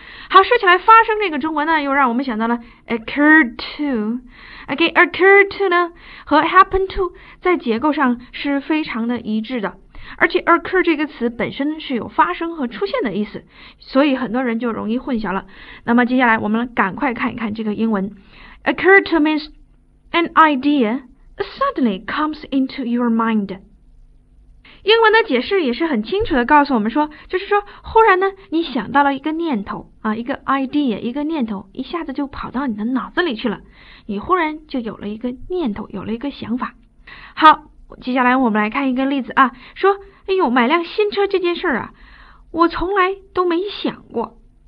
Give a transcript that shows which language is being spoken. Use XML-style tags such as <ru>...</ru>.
<zh>好，说起来发生这个中文呢又让我们想到了 occur to。 OK, occur to 呢和 happen to 在结构上是非常的一致的。而且 occur 这个词本身是有发生和出现的意思，所以很多人就容易混淆了。那么接下来我们赶快看一看这个英文。</zh> <en>Occur to means an idea suddenly comes into your mind。</en> <zh>英文的解释也是很清楚的告诉我们说，就是说忽然呢你想到了一个念头啊，一个 idea， 一个念头一下子就跑到你的脑子里去了，你忽然就有了一个念头，有了一个想法。好，接下来我们来看一个例子啊，说哎呦，买辆新车这件事儿啊我从来都没想过。</zh>